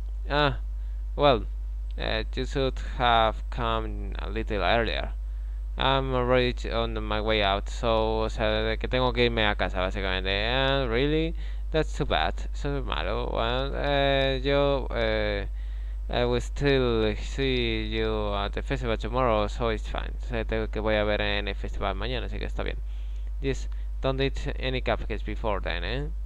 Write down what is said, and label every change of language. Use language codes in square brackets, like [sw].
[en] Ah, well, you should have come a little earlier. I'm already on my way out, so, [es] o sea, que tengo que irme a casa, básicamente. [en] And really, that's too bad. [es] Eso es malo. [en] Well, I will still see you at the festival tomorrow, so it's fine. [es] Sé que voy a ver en el festival mañana, así que está bien. [en] Just don't eat any cupcakes before then, eh?